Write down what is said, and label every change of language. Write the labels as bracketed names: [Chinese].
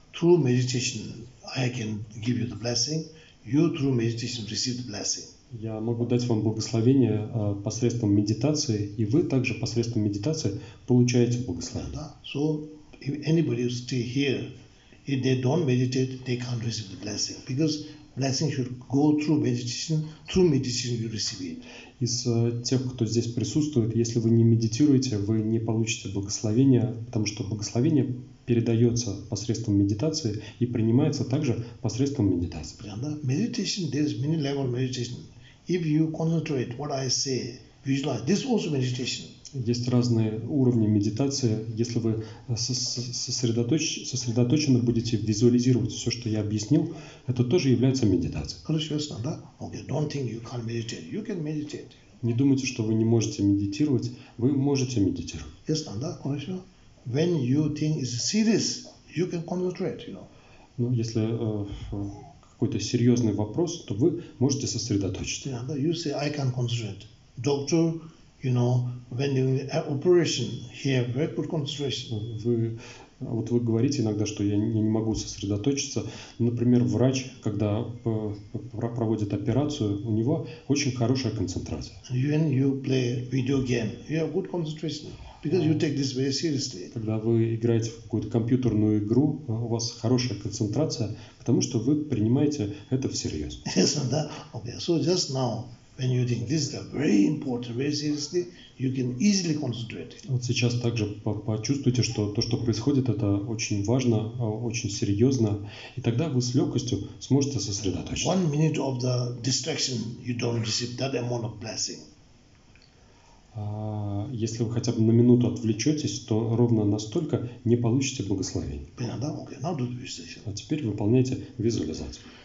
[English] Through meditation I can give you the blessing. You through meditation receive the blessing. [Russian] Я могу дать вам благословение посредством медитации, и вы также посредством медитации получаете благословение. Да. [English] So if anybody who stay here, if they don't meditate, they can't receive the blessing, because blessing should go through meditation you receive it. [Russian] Из тех, кто здесь присутствует, если вы не медитируете, вы не получите благословение, потому что благословение передается посредством медитации и принимается также посредством медитации. Да. [English] Meditation, there is many level meditation. If you concentrate what I say, visualize. This also meditation. [Russian] Есть разные уровни медитации. Если вы сосредоточенно будете визуализировать все, что я объяснил, это тоже является медитацией. Хорошо, ясно, да? [English] Okay, don't think you can't meditate. You can meditate. [Russian] Не думайте, что вы не можете медитировать. Вы можете медитировать. Ясно, да? Хорошо. [English] When you think it's serious, you can concentrate, you know. [Russian] Ну, если какой-то серьезный вопрос, то вы можете сосредоточиться. [English] Yeah, you say, I can concentrate. Doctor, you know, when doing the operation, he have very good concentration. [Russian] Вы, вот вы говорите иногда, что я не могу сосредоточиться. Например, врач, когда проводит операцию, у него очень хорошая концентрация. [English] When you play video game, you have good concentration. Because you take this very seriously. [Russian] Когда вы играете в какую-то компьютерную игру, у вас хорошая концентрация, потому что вы принимаете это всерьез. [English] Yes, [Russian] да. [English] Okay. So just now, when you think this is very important, very seriously, you can easily concentrate. [Russian] Вот сейчас также почувствуйте, что то, что происходит, это очень важно, очень серьезно, и тогда вы с легкостью сможете сосредоточиться. [English] One minute of the distraction, you don't receive that amount of blessing. [Russian] Если вы хотя бы на минуту отвлечетесь, то ровно настолько не получите благословение. А теперь выполняйте визуализацию.